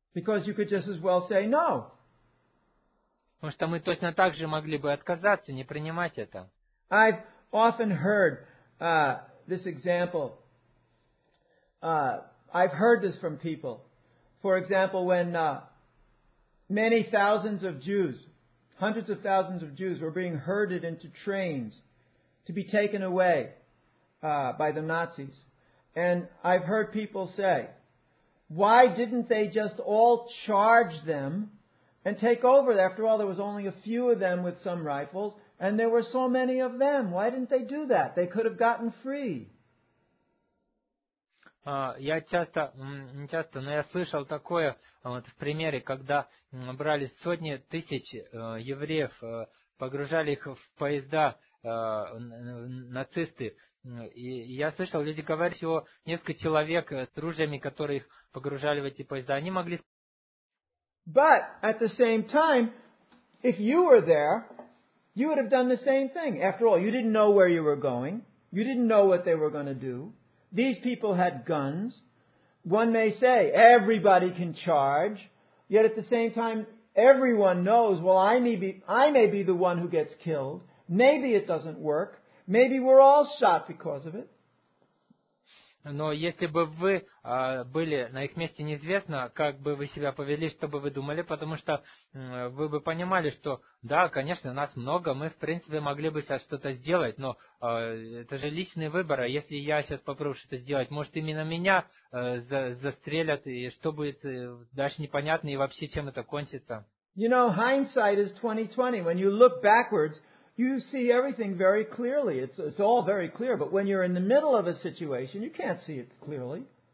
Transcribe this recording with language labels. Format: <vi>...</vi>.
<en>Because you could just as well say no.</en> <ru>Потому что мы точно так же могли бы отказаться, не принимать это.</ru> <en>I've often heard this example. I've heard this from people. For example, when many thousands of Jews, hundreds of thousands of Jews were being herded into trains to be taken away by the Nazis. And I've heard people say, why didn't they just all charge them and take over? After all, there was only a few of them with some rifles, and there were so many of them. Why didn't they do that? They could have gotten free.</en> <ru>Я часто, не часто, но я слышал такое вот в примере, когда брали сотни тысяч евреев, погружали их в поезда нацисты. И я слышал, люди говорят, всего несколько человек с ружьями, которые их погружали в эти поезда, они могли.</ru> <en>But at the same time, if you were there, you would have done the same thing. After all, you didn't know where you were going. You didn't know what they were going to do. These people had guns. One may say, everybody can charge. Yet at the same time, everyone knows, well, I may be the one who gets killed. Maybe it doesn't work. Maybe we're all shot because of it.</en> <ru>Но если бы вы были на их месте, неизвестно, как бы вы себя повели, что бы вы думали, потому что вы бы понимали, что да, конечно, нас много, мы в принципе могли бы сейчас что-то сделать, но это же личный выбор, а если я сейчас попробую что-то сделать, может именно меня застрелят, и что будет дальше непонятно, и вообще чем это кончится.</ru> <en>You know, hindsight is 20/20. When you look backwards, you see everything very clearly. It's all very clear. But when you're in the middle of a situation, you can't see it clearly.</en>